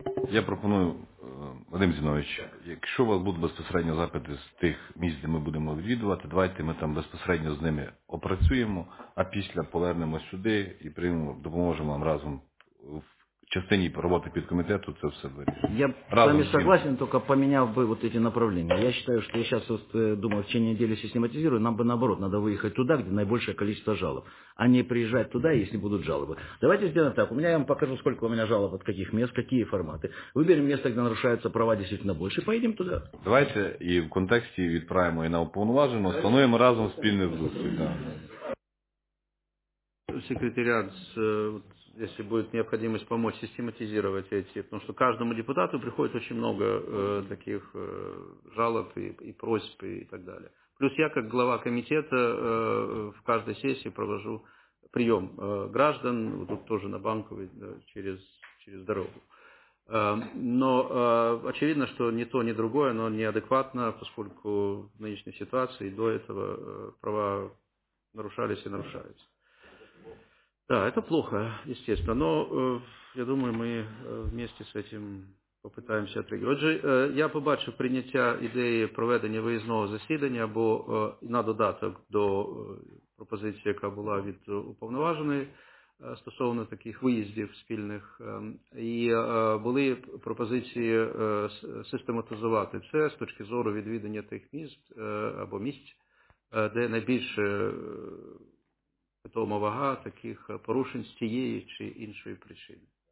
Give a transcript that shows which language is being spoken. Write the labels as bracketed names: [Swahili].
[Ukrainian] Я пропоную, Вадим Зінович, якщо у вас будуть безпосередньо запити з тих місць, де ми будемо відвідувати, давайте ми там безпосередньо з ними опрацюємо, а після повернемо сюди і приймемо, допоможемо вам разом в частині роботи під комітету це все вирішити. Я разом з вами [Russian] согласен, [Ukrainian] тільки поміняв би [Russian] вот эти направления. Я считаю, что я сейчас вот думаю, в течение недели систематизирую, нам бы наоборот, надо выехать туда, где наибольшее количество жалоб, а не приезжать туда, если будут жалобы. Давайте сделаем так, у меня, я вам покажу, сколько у меня жалоб от каких мест, какие форматы. Выберем место, где нарушаются права действительно больше, поедем туда. [Ukrainian] Давайте и в контексте відправимо и на уповноваженого, становимо разом спільне зустріч. [Russian] Секретариат, если будет необходимость помочь систематизировать эти, потому что каждому депутату приходит очень много таких жалоб и просьб и так далее. Плюс я как глава комитета в каждой сессии провожу прием граждан, вот тут тоже на Банковой, да, через дорогу. Но очевидно, что ни то, ни другое, оно неадекватно, поскольку в нынешней ситуации до этого права нарушались и нарушаются. Да, это плохо, естественно, но я думаю, мы вместе с этим попытаемся отреагировать. [Ukrainian] Отже, я побачив прийняття ідеї проведення виїзного засідання або на додаток до пропозиції, яка була від уповноваженої стосовно таких виїздів спільних, і були пропозиції систематизувати це з точки зору відвідання тих місць або місць, де найбільше питома вага таких порушень з тієї чи іншої причини.